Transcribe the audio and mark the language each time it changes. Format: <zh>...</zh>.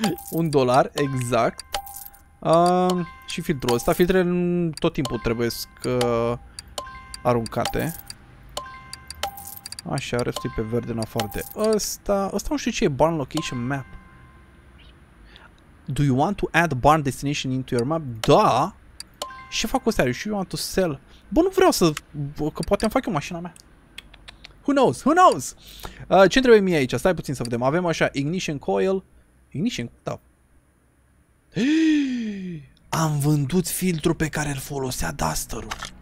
<ro>Un dolar, exact. Și filtrul ăsta. Filtrele tot timpul trebuiesc aruncate. Așa, restul e pe verde în afară de ăsta. Ăsta nu știu ce e, barn location map.</ro> <en>Do you want to add barn destination into your map?</en> <ro>Da! Ce fac cu ăsta? Și</ro> <en>you want to sell?</en> <ro>Bă, nu vreau să... Că poate îmi fac eu mașina mea.</ro> <en>Who knows? Who knows?</en> <ro>Ce trebuie mie aici? Stai puțin să vedem. Avem așa, ignition coil. Ignition? Da. Am vândut filtrul pe care îl folosea Duster-ul.</ro>